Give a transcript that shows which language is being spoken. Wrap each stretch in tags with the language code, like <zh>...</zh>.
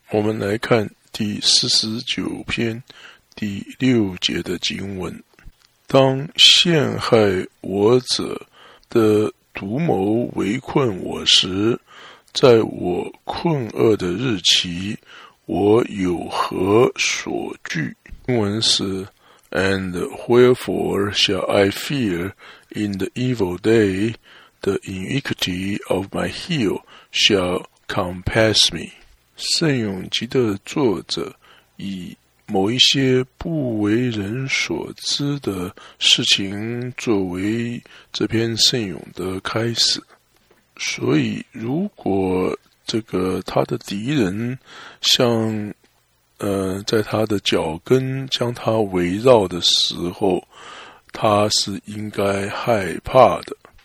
<zh>我们来看第49篇第6节的经文。当陷害我者的独谋围困我时，在我困厄的日期，我有何所惧？经文是</zh> <en>And wherefore shall I fear in the evil day? The iniquity of my heel shall compass me.</en> <zh>聖咏集的作者以某一些不为人所知的事情作为这篇聖咏的开始。所以如果这个他的敌人像在他的脚跟将他围绕的时候，他是应该害怕的。</zh>